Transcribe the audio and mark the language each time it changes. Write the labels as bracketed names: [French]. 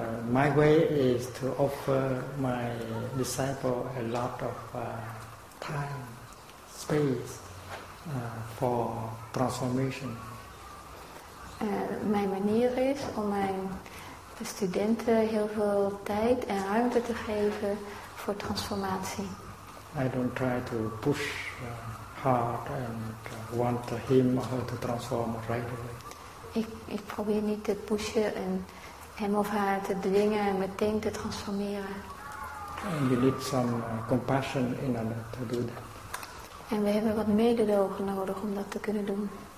[English] My way is to offer my disciple a lot of time, space for transformation. [Dutch] Mijn manier is om mijn studenten heel veel tijd en ruimte te geven voor transformatie. [English] I don't try to push hard and want him or her to transform right away. [Dutch] Ik probeer niet te pushen en hem of haar te dwingen en meteen te transformeren. [English] And you need some compassion in order to do that. [Dutch] En we hebben wat mededogen nodig om dat te kunnen doen.